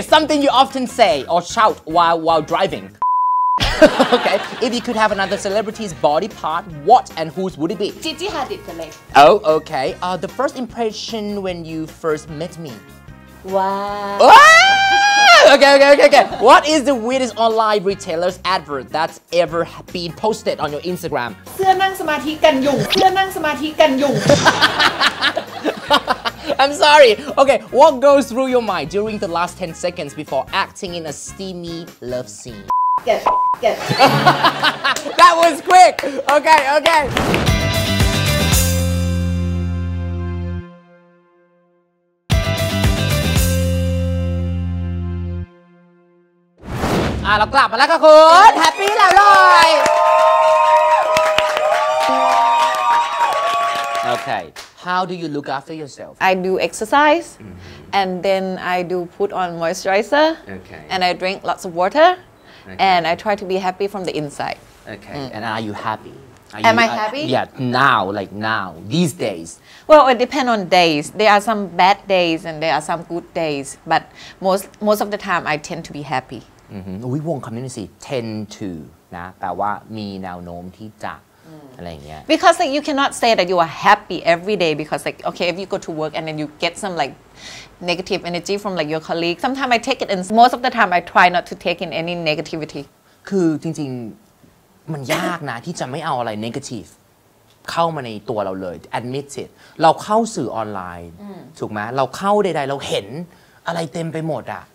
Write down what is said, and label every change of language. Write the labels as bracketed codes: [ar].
[en] Something you often say or shout while driving. Okay, if you could have another celebrity's body part, what and whose would it be? Gigi Hadid, the leg. Oh, okay. The first impression when you first met me? Wow. Oh! Okay, okay, okay, okay. What is the weirdest online retailer's advert that's ever been posted on your Instagram? [th] เสื้อนั่งสมาธิกันยุง เสื้อนั่งสมาธิกันยุง [en] I'm sorry. Okay, what goes through your mind during the last 10 seconds before acting in a steamy love scene? Yes. That was quick. Okay, okay. [th] เรากลับมาแล้วค่ะคุณแฮปปี้แล้วเลยโอเค [en] How do you look after yourself? I do exercise mm-hmm. and then I do put on moisturizer okay. and I drink lots of waterOkay. And I try to be happy from the inside. Okay. Mm. And are you happy? Am I happy? Yeah. Now, like now, these days. Well, it depends on days. There are some bad days and there are some good days. But most of the time, I tend to be happy. Mm-hmm. We want community tend to. [th] นะแปลว่ามีแนวโน้มที่จะอะไรอย่างเงี้ย [en] Because like you cannot say that you are happy every day because like okay if you go to work and then you get some like. Negative energy from like your colleague. Sometimes I take it, and most of the time I try not to take in any negativity. [th] คือจริงๆมันยากนะที่จะไม่เอาอะไร negative เข้ามาในตัวเราเลย [en] admit it [th] เราเข้าสื่อออนไลน์ ถูกไหมเราเข้าใดๆเราเห็นอะไรเต็มไปหมดอ่ะ